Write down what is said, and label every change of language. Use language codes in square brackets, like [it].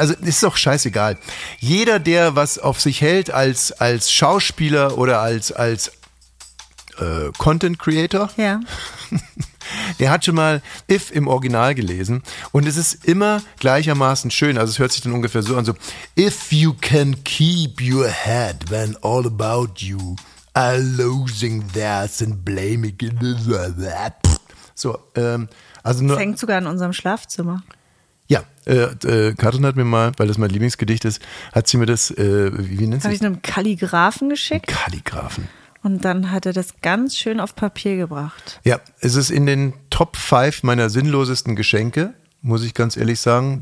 [de] Also, ist doch scheißegal. Jeder, der was auf sich hält als Schauspieler oder als Content Creator. Ja. Der hat schon mal If im Original gelesen. Und es ist immer gleichermaßen schön. Also, es hört sich dann ungefähr so an, so. [en] If you can keep your head when all about you are losing theirs and blaming it is that. [de] So, also nur, das hängt sogar in unserem Schlafzimmer. Ja, Katrin hat mir mal, weil das mein Lieblingsgedicht ist, hat sie mir das, wie nennt sie das? Habe ich einem Kalligrafen geschickt. Kalligrafen. Und dann hat er das ganz schön auf Papier gebracht. Ja, es ist in den Top 5 meiner sinnlosesten Geschenke, muss ich ganz ehrlich sagen.